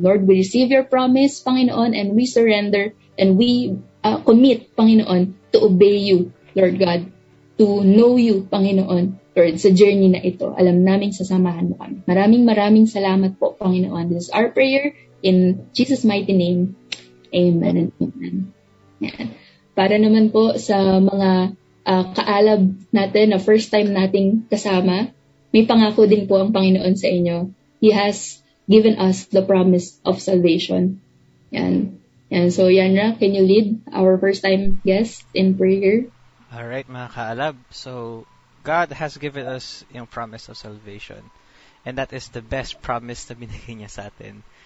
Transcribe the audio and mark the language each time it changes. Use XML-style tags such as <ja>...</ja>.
<en>Lord, we receive your promise, Panginoon, and we surrender and we commit, Panginoon, to obey you, Lord God, to know you, Panginoon, Lord,</en> <tl>sa journey na ito. Alam namin sasamahan mo kami. Maraming maraming salamat po, Panginoon.</tl> <en>This is our prayer in Jesus' mighty name. Amen and amen. Yan.</en> <tl>Para naman po sa mga kaalab natin na first time nating kasama, may pangako din po ang Panginoon sa inyo.</tl> <en>He has given us the promise of salvation. Yan. Yan. So, Yanra, can you lead our first-time guest in prayer? Alright,</en> <tl>mga kaalab.</tl> <en>So, God has given us yung promise of salvation. And that is the best promise</en> <tl>na binigay niya sa atin.</tl>